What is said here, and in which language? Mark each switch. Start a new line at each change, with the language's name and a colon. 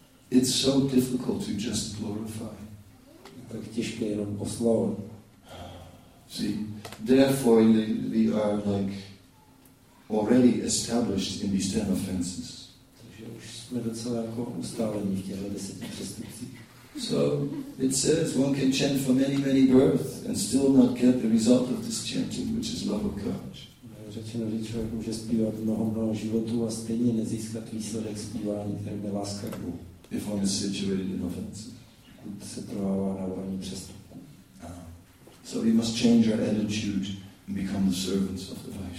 English: It's so difficult to just glorify.
Czech: Tak těžké jenom poslovat.
English: See, therefore we are like already established in these ten offenses.
Czech: Takže už jsme docela jako ustálení v těchto deseti přestupcích.
English: So it says one can chant for many, many births and still not get the result of this chanting, which is love of God.
Czech: Řečeno, že člověk může zpívat mnoho životů a stejně nezískat výsledek zpívání, který je láska k Bohu.
English: If one is situated in offense. So we must change our attitude and become the servants of the